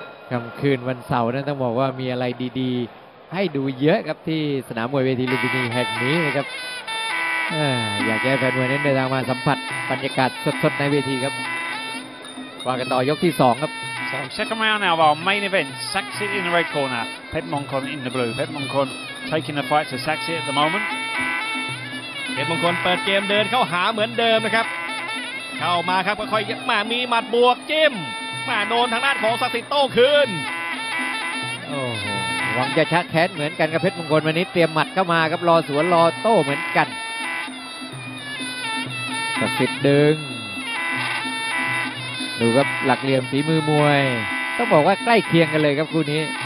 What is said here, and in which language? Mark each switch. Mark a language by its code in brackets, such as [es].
[th] กลางคืนวันเสาร์นั้นต้องบอกว่ามีอะไรดีๆให้ดูเยอะครับที่สนามมวยเวทีลุมพินีแห่งนี้นะครับอยากให้แฟนมวยนั้นเดินทางมาสัมผัสบรรยากาศสดๆในเวทีครับว่ากันต่อยกที่สองครับ [en] So second round now of our main event, Saxi in the red corner, Pedro Moncon in the blue. Pedro Moncon taking the fight to Saxi at the moment. [th] เพชรมงคลเปิดเกมเดินเข้าหาเหมือนเดิมนะครับเข้ามาครับค่อยๆมามีหมัดบวกจิ้มมาโดนทางด้านของศักดิ์สิทธิ์โต้คืน โอ้หวังจะชักแขนเหมือนกันกับเพชรมงคลวันนี้เตรียมหมัดเข้ามาครับรอสวนรอโต้เหมือนกันศักดิ์สิทธิ์ดึงดูครับหลักเหลี่ยมฝีมือมวยต้องบอกว่าใกล้เคียงกันเลยครับคู่นี